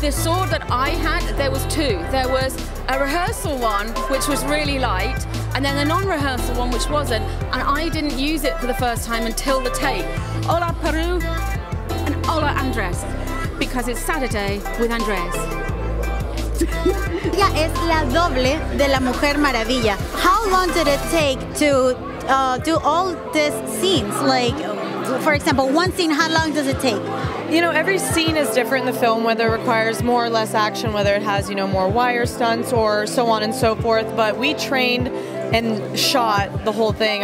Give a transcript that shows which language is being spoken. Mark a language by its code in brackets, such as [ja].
[en] The sword that I had, there was two. There was a rehearsal one, which was really light, and then a non-rehearsal one, which wasn't. And I didn't use it for the first time until the tape. Hola Peru and hola Andres, because it's Saturday with Andres. [es] Ella es la doble de la Mujer Maravilla. [en] How long did it take to do all these scenes? Like, for example, one scene, how long does it take? You know, every scene is different in the film, whether it requires more or less action, whether it has, you know, more wire stunts or so on and so forth. But we trained and shot the whole thing.